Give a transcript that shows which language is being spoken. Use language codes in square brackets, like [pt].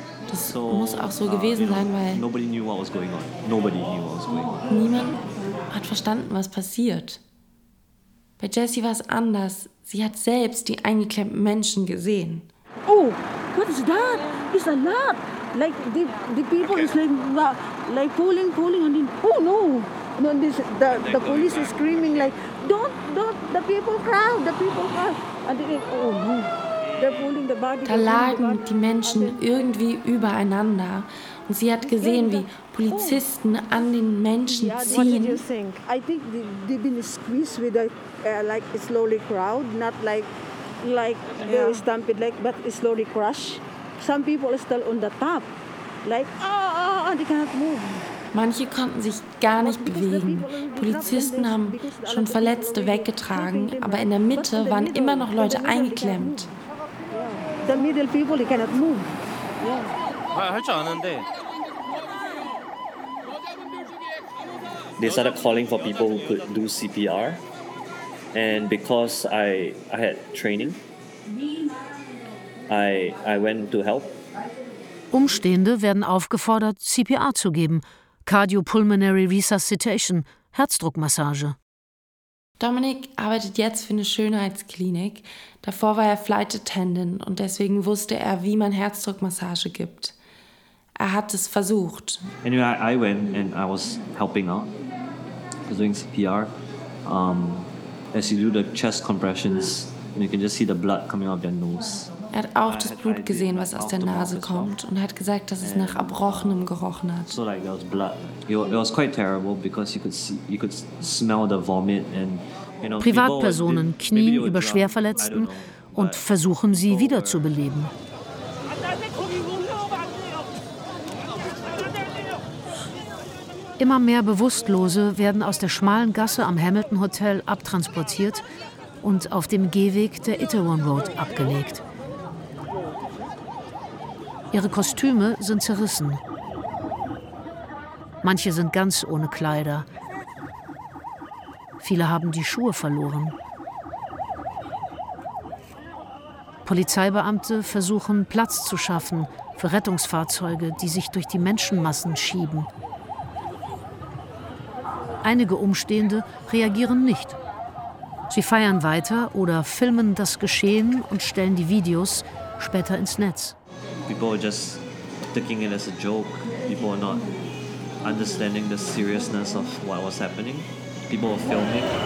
[de] Das muss auch so gewesen sein, weil niemand hat verstanden, was passiert. Bei Jessie war es anders. Sie hat selbst die eingeklemmten Menschen gesehen. Oh, [en] What is that? It's a lot. Like the people is like pulling and then, oh no. And then this, the police is screaming like, don't, the people crowd. And then, oh no. [de] Da lagen die Menschen irgendwie übereinander und sie hat gesehen, wie Polizisten an den Menschen ziehen. [en] I think they been squeezed with a like a slowly crowd, not like a stampede, like but a slowly crush. Some people are still on the top, like they cannot move. [de] Manche konnten sich gar nicht bewegen. Polizisten haben schon Verletzte weggetragen, aber in der Mitte waren immer noch Leute eingeklemmt. [en] The middle people, they cannot move. Yeah. How are they? They started calling for people who could do CPR. And because I had training, I went to help. [de] Umstehende werden aufgefordert, CPR zu geben. Cardiopulmonary Resuscitation, Herzdruckmassage. Dominik arbeitet jetzt für eine Schönheitsklinik. Davor war er Flight Attendant und deswegen wusste er, wie man Herzdruckmassage gibt. Er hat es versucht. [en] Anyway, I went and I was helping out. I was doing CPR. As you do the chest compressions, you can just see the blood coming out of their nose. [de] Er hat auch das Blut gesehen, was aus der Nase kommt und hat gesagt, dass es nach Erbrochenem gerochen hat. [en] So like there was blood. It was quite terrible because you could smell the vomit and [de] Privatpersonen knien über Schwerverletzten und versuchen, sie wiederzubeleben. Immer mehr Bewusstlose werden aus der schmalen Gasse am Hamilton Hotel abtransportiert und auf dem Gehweg der Itaewon Road abgelegt. Ihre Kostüme sind zerrissen. Manche sind ganz ohne Kleider. Viele haben die Schuhe verloren. Polizeibeamte versuchen, Platz zu schaffen für Rettungsfahrzeuge, die sich durch die Menschenmassen schieben. Einige Umstehende reagieren nicht. Sie feiern weiter oder filmen das Geschehen und stellen die Videos später ins Netz. [en] People are just taking it as a joke. People are not understanding the seriousness of what was happening. People are filming.